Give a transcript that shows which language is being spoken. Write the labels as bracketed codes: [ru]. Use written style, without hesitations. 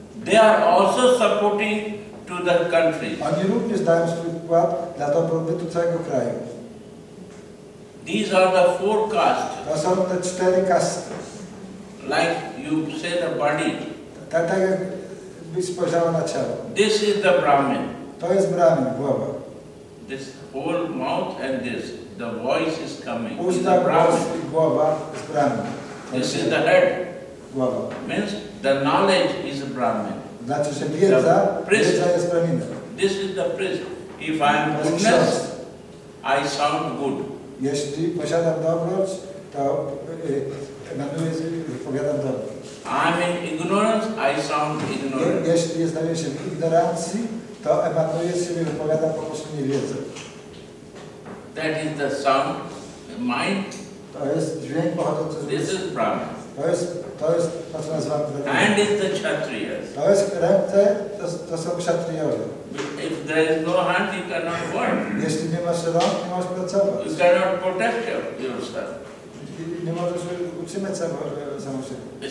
[en] They are also supporting to the country. [pl] Oni również dają swój wkład dla dobrobytu całego kraju. [en] These are the four castes. [pl] To są te cztery kasty. [en] Like you say the body. [pl] Tak jak byś spojrzał na ciało. [en] This is the Brahmin. [pl] To jest Brahmin, głowa. [en] This whole mouth and this, the voice is coming. [pl] Usta, głos i głowa jest Brahmin. [en] This is the head. [pl] Głowa. [en] Means the knowledge is Brahmin. [pl] Znaczy, że wiedza, wiedza jest Brahminem. [en] This is the priest. If I am goodness, I sound good. [pl] Jeśli posiadam dobroć, to emanuję z nim, powiadam dobroć. [en] I'm in ignorance, I sound ignorant. [pl] Jeśli znajduję się w ignorancji, to emanuję z nim, wypowiadam po prostu niewiedzę. [en] That is the sound, the mind. [pl] To jest dźwięk pochodzący z mózgu. [en] This is Brahman. [pl] To jest to, co nazywam [en] Brahman. And is the Kshatriyas. [pl] To jest ręce, to są Kshatriyowie. [en] If there is no hand, you cannot work. [pl] Jeśli nie masz rąk, nie masz pracować. [en] You cannot protect yourself. [pl] Nie możesz utrzymać samo siebie.